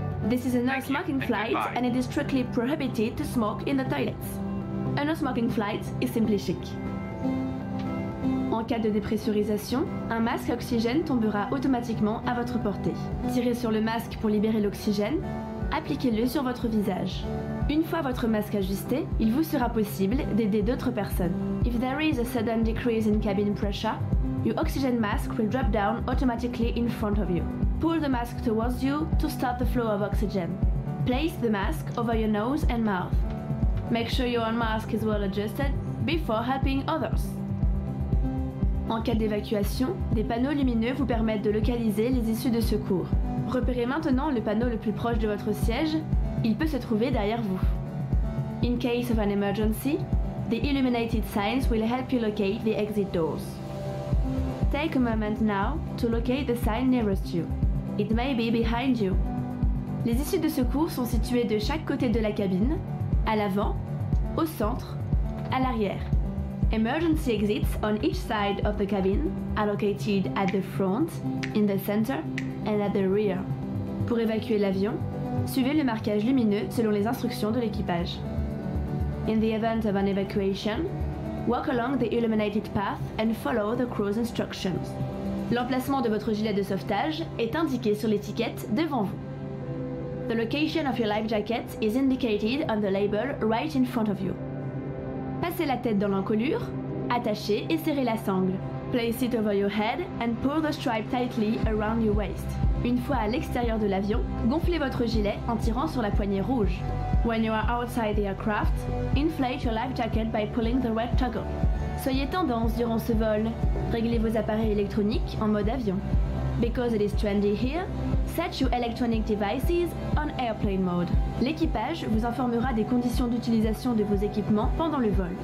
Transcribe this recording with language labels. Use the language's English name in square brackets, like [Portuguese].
[English] This is a non-smoking flight and it is strictly prohibited to smoke in the toilets. A no-smoking flight is simply chic. [French] En cas de dépressurisation, un masque à oxygène tombera automatiquement à votre portée. Tirez sur le masque pour libérer l'oxygène, appliquez-le sur votre visage. Une fois votre masque ajusté, il vous sera possible d'aider d'autres personnes. [English] If there is a sudden decrease in cabin pressure, your oxygen mask will drop down automatically in front of you. Pull the mask towards you to start the flow of oxygen. Place the mask over your nose and mouth. Make sure your mask is well adjusted before helping others. [French] En cas d'évacuation, des panneaux lumineux vous permettent de localiser les issues de secours. Repérez maintenant le panneau le plus proche de votre siège, il peut se trouver derrière vous. [English] In case of an emergency, the illuminated signs will help you locate the exit doors. Take a moment now to locate the sign nearest you. It may be behind you. [French] Les issues de secours sont situées de chaque côté de la cabine, à l'avant, au centre, à l'arrière. [English] Emergency exits on each side of the cabin are located at the front, in the center, and at the rear. [French] Pour évacuer l'avion, suivez le marquage lumineux selon les instructions de l'équipage. [English] In the event of an evacuation, walk along the illuminated path and follow the crew's instructions. [French] L'emplacement de votre gilet de sauvetage est indiqué sur l'étiquette devant vous. [English] The location of your life jacket is indicated on the label right in front of you. [French] Passez la tête dans l'encolure, attachez et serrez la sangle. [English] Place it over your head and pull the stripe tightly around your waist. [French] Une fois à l'extérieur de l'avion, gonflez votre gilet en tirant sur la poignée rouge. [English] When you are outside the aircraft, inflate your life jacket by pulling the red toggle. [French] Soyez tendance durant ce vol. Réglez vos appareils électroniques en mode avion. [English] Because it is trendy here, set your electronic devices on airplane mode. [French] L'équipage vous informera des conditions d'utilisation de vos équipements pendant le vol.